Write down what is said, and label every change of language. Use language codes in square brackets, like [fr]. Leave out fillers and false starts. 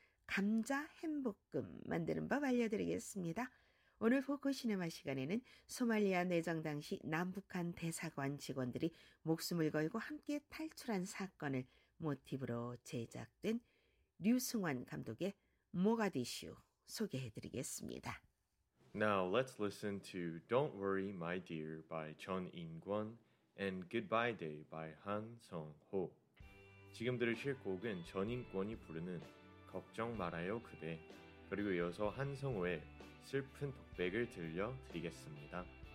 [ko] 감자 햄볶음 만드는 법 알려드리겠습니다. 오늘 포커시네마 시간에는 소말리아 내정 당시 남북한 대사관 직원들이 목숨을 걸고 함께 탈출한 사건을 모티브로 제작된 류승환 감독의 모가디슈 소개해드리겠습니다. [en] Now let's listen to Don't Worry My Dear by 전 인권 and Goodbye Day by 한성호. [ko] 지금 들으실 곡은 전 인권이 부르는 걱정 말아요 그대 그리고 이어서 한성호의 슬픈 독백을 들려드리겠습니다.